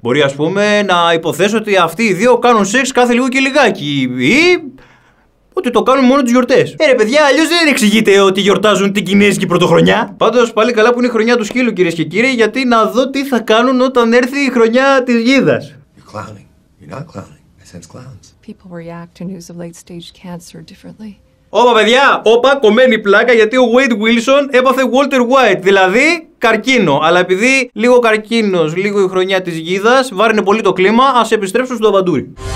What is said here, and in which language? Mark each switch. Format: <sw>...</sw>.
<el>Μπορεί ας πούμε να υποθέσω ότι αυτοί οι δύο κάνουν σεξ κάθε λίγο και λιγάκι ή ότι το κάνουν μόνο τις γιορτές. Ρε παιδιά, αλλιώς δεν εξηγείται ότι γιορτάζουν την Κινέζικη πρωτοχρονιά. Πάντως πάλι καλά που είναι η χρονιά του σκύλου κυρίες και κύριοι, γιατί να δω τι θα κάνουν όταν έρθει η χρονιά της γίδας.</el> <en>You're clowning. You're not clowning. I sense clowns. People react to news of late stage cancer differently.</en> <el>Όπα παιδιά, όπα, κομμένη πλάκα, γιατί ο Wade Wilson έπαθε Walter White, δηλαδή καρκίνο. Αλλά επειδή λίγο καρκίνος, λίγο η χρονιά της γίδας, βάρινε πολύ το κλίμα, ας επιστρέψουμε στο Αβαντούρι.</el>